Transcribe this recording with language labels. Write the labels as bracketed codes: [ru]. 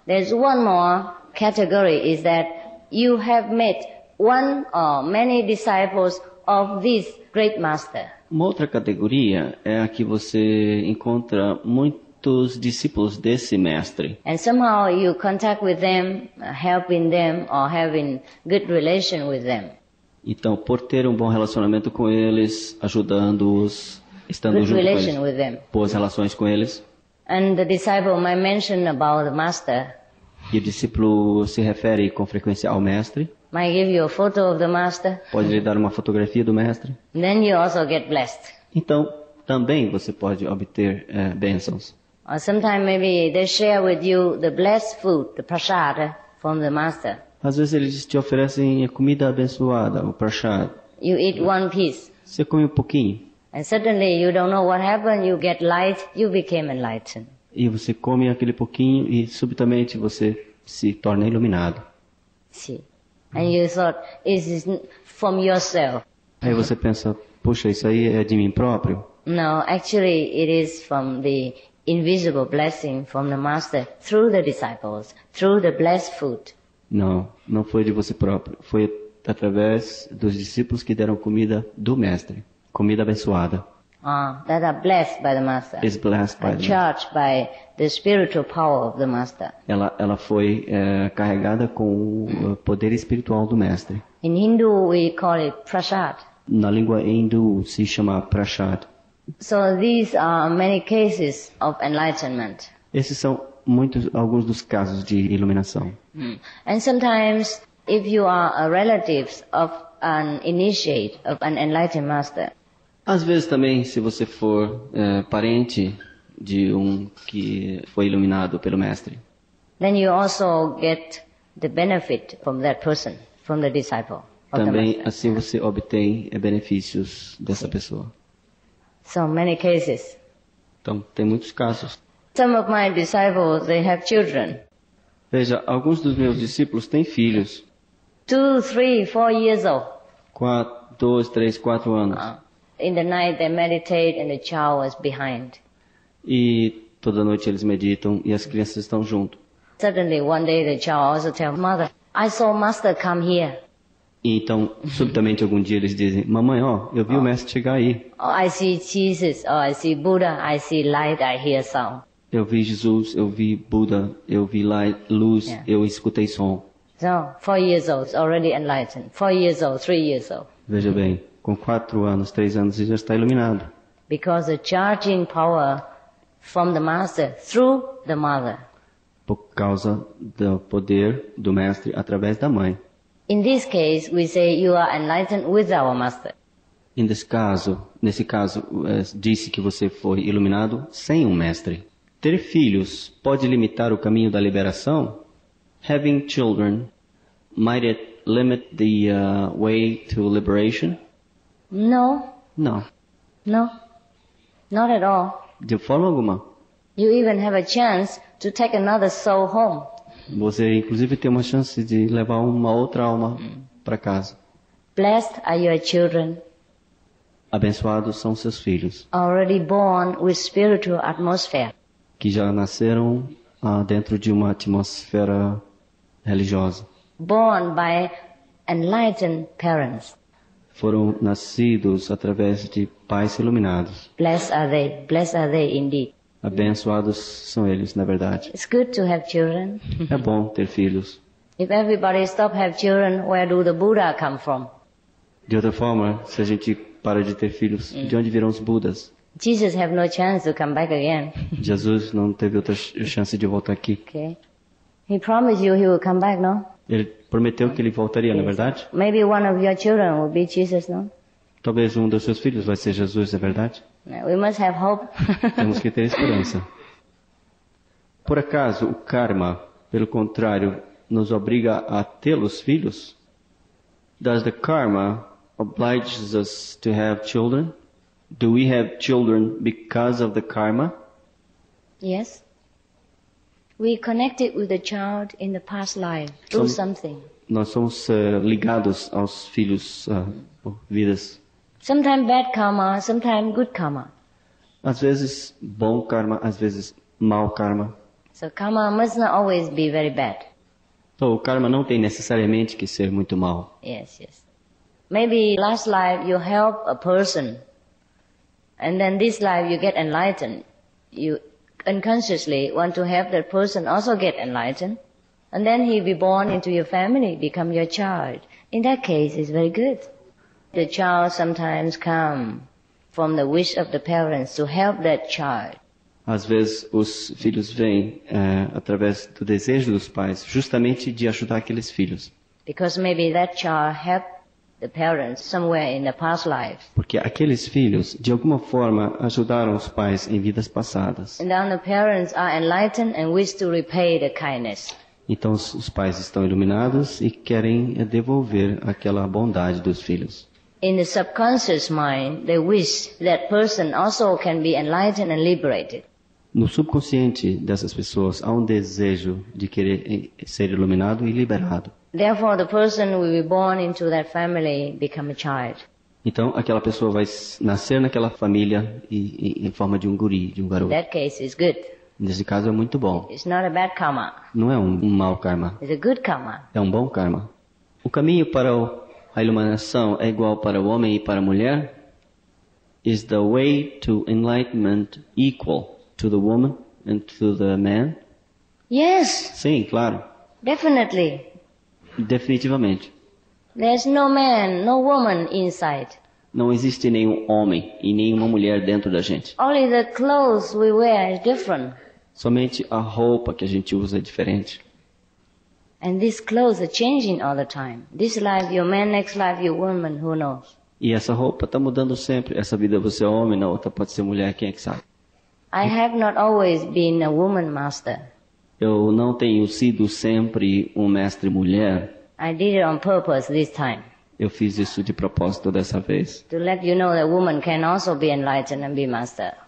[en] There's one more category is that you have met one or many disciples of this great master. [pt] Uma outra categoria é a que você encontra muitos discípulos desse mestre. [en] And somehow you contact with them, helping them or having good relation with them. [pt] Então, por ter bom relacionamento com eles, ajudando-os, estando [en] good [pt] junto [en] relation [pt] com eles, [en] with them. [pt] Boas relações com eles. [en] And the disciple might mention about the master. [pt] E o discípulo se refere com frequência ao mestre. [en] Might give you a photo of the master. [pt] Pode lhe dar uma fotografia do mestre. [en] Then you also get blessed. [pt] Então, também você pode obter bênçãos. [en] Or sometimes maybe they share with you the blessed food, the prasad from the master. [pt] Às vezes eles te oferecem a comida abençoada, o prasad. [en] You eat one piece. [pt] Você come pouquinho. [en] And suddenly you don't know what happened, you get light, you became enlightened. [pt] E você come aquele pouquinho e subitamente você se torna iluminado. Sim. [en] And you thought, is this from yourself? [pt] Aí você pensa, puxa, isso aí é de mim próprio? [en] No, actually it is from the invisible blessing from the master through the disciples, through the blessed food. [pt] Não foi de você próprio. Foi através dos discípulos que deram comida do mestre. Comida abençoada. [en] That are blessed by the master. Is blessed by the charged master. By the spiritual power of the master. [pt] Ela foi carregada com o poder espiritual do mestre. [en] In Hindu we call it prasad. [pt] Na língua hindu se chama prasad. [en] So these are many cases of enlightenment. [pt] Esses são alguns dos casos de iluminação. [en] And sometimes if you are a relative of an initiate of an enlightened master. [pt] Às vezes também, se você for parente de que foi iluminado pelo mestre. [en] Then you also get the benefit from that person, from the disciple. [pt] Também assim você obtém benefícios dessa pessoa. [en] So many cases. [pt] Então, tem muitos casos. [en] Some of my disciples, they have children. [pt] Veja, alguns dos meus discípulos têm filhos. [en] 2, 3, 4 years old. [pt] 2, 3, 4 anos. [en] In the night they meditate and the child is behind. [pt] E toda noite eles meditam e as crianças estão junto. [en] Suddenly one day the child also tells mother, I saw master come here. [pt] E então, subitamente algum dia eles dizem, mamãe, ó, eu vi o mestre chegar aí. [en] Oh, I see Jesus, oh, I see Buddha, I see light, I hear sound. [pt] Eu vi Jesus, eu vi Buddha, eu vi light, luz, yeah. Eu escutei som. [en] So, 4 years old, already enlightened. 4 years old, 3 years old. [pt] Veja bem, com 4 anos, 3 anos, ele já está iluminado. [en] Because the charging power from the master through the mother. [pt] Por causa do poder do mestre através da mãe. [en] In this case, we say you are enlightened with our master. In this [pt] caso, nesse caso, disse que você foi iluminado sem um mestre. Ter filhos pode limitar o caminho da liberação? [en] Having children, might it limit the way to liberation? No. No. No. Not at all. [pt] De forma alguma. [en] You even have a chance to take another soul home. [pt] Você inclusive tem uma chance de levar uma outra alma para casa. [en] Blessed are your children. [pt] Abençoados são seus filhos. [en] Already born with spiritual atmosphere. [pt] Que já nasceram dentro de uma atmosfera religiosa. [en] Born by enlightened parents. [pt] Foram nascidos através de pais iluminados. [en] Blessed are they indeed. [pt] Abençoados são eles, na verdade. [en] It's good to have children. [pt] É bom ter filhos. [en] If everybody stop have children, where do the Buddha come from? [pt] De outra forma, se a gente para de ter filhos, de onde virão os Budas? [en] Jesus have no chance to come back again. [pt] Jesus não teve outra chance de voltar aqui. [en] Okay. He promised you he will come back, no? [pt] Ele prometeu que ele voltaria, na verdade? [en] Maybe one of your children will be Jesus, no? [pt] Talvez um dos seus filhos vai ser Jesus, é verdade? [en] We must have hope. [pt] Temos que ter esperança. Por acaso, o karma, pelo contrário, nos obriga a tê-los filhos? [en] Does the karma oblige us to have children? Do we have children because of the karma? Yes. We connected with the child in the past life through something. [pt] Nós somos ligados aos filhos por vidas. [en] Sometimes bad karma, sometimes good karma. [pt] Às vezes bom karma, às vezes mau karma. [en] So karma must not always be very bad. [pt] Então, o karma não tem necessariamente que ser muito mau. [en] Yes, yes. Maybe last life you help a person, and then this life you get enlightened. You unconsciously want to help that person also get enlightened, and then he be born into your family, become your child. In that case, it's very good. The child sometimes come from the wish of the parents to help that child. [pt] Às vezes os filhos vêm através do desejo dos pais, justamente de ajudar aqueles filhos. [en] Because maybe that child helped the parents somewhere in the past life. [pt] Porque aqueles filhos de alguma forma ajudaram os pais em vidas passadas. [en] And then the parents are enlightened and wish to repay the kindness. [pt] Então os pais estão iluminados e querem devolver aquela bondade dos filhos. [en] In the subconscious mind, they wish that person also can be enlightened and liberated. [pt] No subconsciente dessas pessoas há desejo de querer ser iluminado e liberado. [en] Therefore, the person will be born into that family, become a child. [pt] Então, aquela pessoa vai nascer naquela família em forma de um guri, de um garoto. [en] In that case, it's good. [pt] Nesse caso é muito bom. [en] It's not a bad karma. [pt] Não é um mau karma. [en] It's a good karma. [pt] É um bom karma. O caminho para a iluminação é igual para o homem e para a mulher? [en] Is the way to enlightenment equal to the woman and to the man? Yes. [pt] Sim, claro. [en] Definitely. [pt] Definitivamente. [en] There's no man, no woman inside. [pt] Não existe nenhum homem e nenhuma mulher dentro da gente. [en] Only the clothes we wear is different. [pt] Somente a roupa que a gente usa é diferente. [en] And these clothes are changing all the time. This life you're man, next life you're woman, who knows? [pt] E essa roupa tá mudando sempre. Essa vida você é homem, na outra pode ser mulher, quem é que sabe? [en] I have not always been a woman master. [pt] Eu não tenho sido sempre um mestre mulher. [en] I did it on purpose this time. [pt] Eu fiz isso de propósito dessa vez. [en] To let you know that woman can also be enlightened and be master.